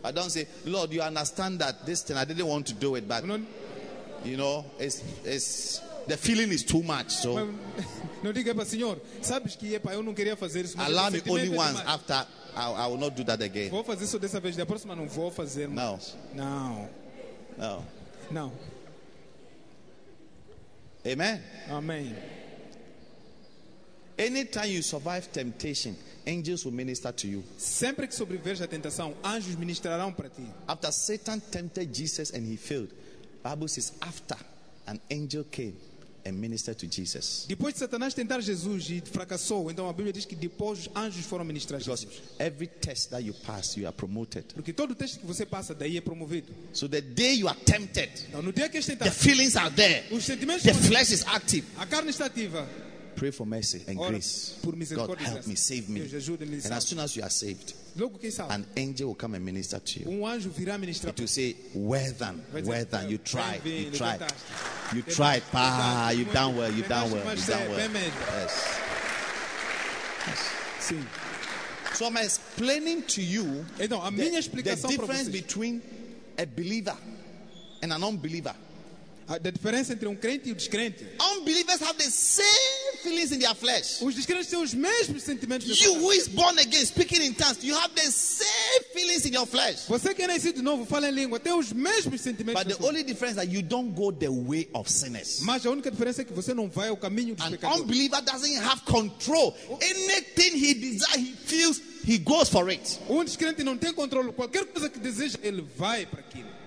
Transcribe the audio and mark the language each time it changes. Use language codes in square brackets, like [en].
[en] I don't say, Lord, you understand that this thing I didn't want to do it, but you know, it's the feeling is too much. So [pt] Não diga para o Senhor, sabes que epa, eu não queria fazer isso. [en] Allow me only once after, I will not do that again. [pt] Vou fazer isso dessa vez, da próxima não vou fazer. Não. Não. Não. Não. Amen. Amen. [en] Anytime you survive temptation, angels will minister to you. [pt] Sempre que sobreviveres à tentação, anjos ministrarão para ti. [en] After Satan tempted Jesus and he failed, Bible says after an angel came and ministered to Jesus. [pt] Depois de Satanás tentar Jesus e fracassou, então a Bíblia diz que depois os anjos foram ministrar Jesus. [en] Because every test that you pass, you are promoted. [pt] Porque todo teste que você passa, daí é promovido. [en] So the day you are tempted, [pt] então, no dia que estás tentado, [en] the feelings are there. [pt] Os sentimentos, [en] the flesh is active. [pt] A carne está ativa. [en] Pray for mercy and grace. [pt] Por [en] God, help me, save me. And as soon as you are saved, [pt] logo que salve, [en] an angel will come and minister to you. [pt] Um anjo virá ministrar. [en] It will say, well done, well done. You tried. You've done well. Yes. [pt] Sim. [en] So I'm explaining to you the difference between a believer and an unbeliever. [pt] A diferença entre crente e descrente. [en] Unbelievers have the same feelings in their flesh. [pt] Os descrentes têm os mesmos sentimentos. [en] You who is born again, speaking in tongues, you have the same feelings in your flesh. [pt] Você que é nascido de novo, fala em língua, tem os mesmos sentimentos. [en] But the only difference is that you don't go the way of sinners. [pt] Mas a única diferença é que você não vai ao caminho dos pecadores. [en] An unbeliever doesn't have control. Anything he desires, he feels, he goes for it. [pt] Um descrente não tem controle. Qualquer coisa que deseja, ele vai para aquilo.